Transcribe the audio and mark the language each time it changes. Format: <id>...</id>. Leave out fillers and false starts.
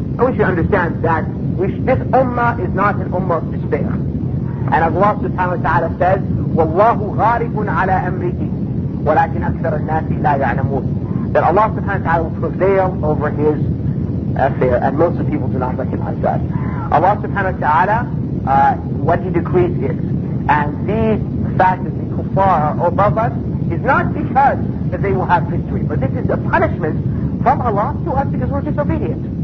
<en>I wish you to understand that this ummah is not an ummah of despair. And as Allah subhanahu wa ta'ala says,</en> <ar>وَاللَّهُ غَارِبٌ عَلَى أَمْرِهِ وَلَكِنْ أَكْثَرَ النَّاسِ لَا يَعْلَمُونَ.</ar> <en>That Allah subhanahu wa ta'ala will prevail over his affair, and most of the people do not recognize that. Allah subhanahu wa ta'ala, what he decrees is, and these facts of the kuffar above us, is not because that they will have victory, but this is a punishment from Allah to us because we're disobedient.</en>